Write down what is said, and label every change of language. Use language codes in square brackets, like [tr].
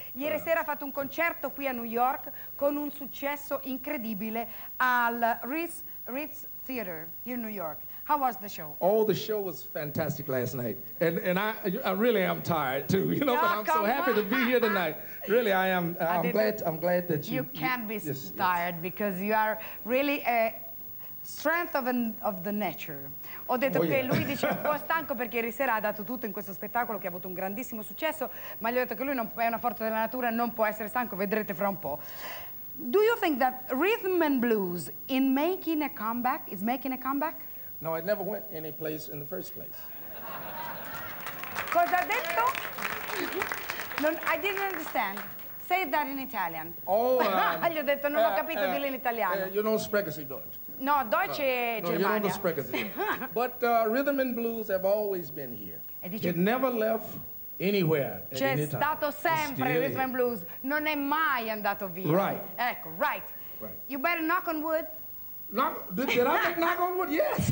[it] Ieri sera ha fatto un concerto qui a New York con un successo incredibile al Ritz Theater [en] here in New York. How was the show? Oh, the show was fantastic last night. And I really am tired too, you know, but I'm so happy to be here tonight. Really, I am. I'm glad that you... You can't be tired, because you are really a strength of the nature. [it] Ho detto che lui dice un po' stanco perché ieri sera ha dato tutto in questo spettacolo che ha avuto un grandissimo successo, ma gli ho detto che lui non è una forza della natura, non può essere stanco, vedrete fra un po'. [en] Do you think that rhythm and blues in making a comeback, is making a comeback? No, it never went any place in the first place. [it] Cosa ha detto? [en] I didn't understand. Say that in Italian. Oh, [it] gli ho detto, non ho capito, dillo in italiano. [en] You don't [de] spreche si Deutsch. [it] No, Deutsch e Germania. [en] No, you don't [de] spreche si. [en] But rhythm and blues have always been here. It never left anywhere at [it] c'è [en] any time. [it] C'è stato sempre rhythm and blues. Non è mai andato via. [en] Right. Ecco, right. You better knock on wood. Did I make knock on wood? Yes.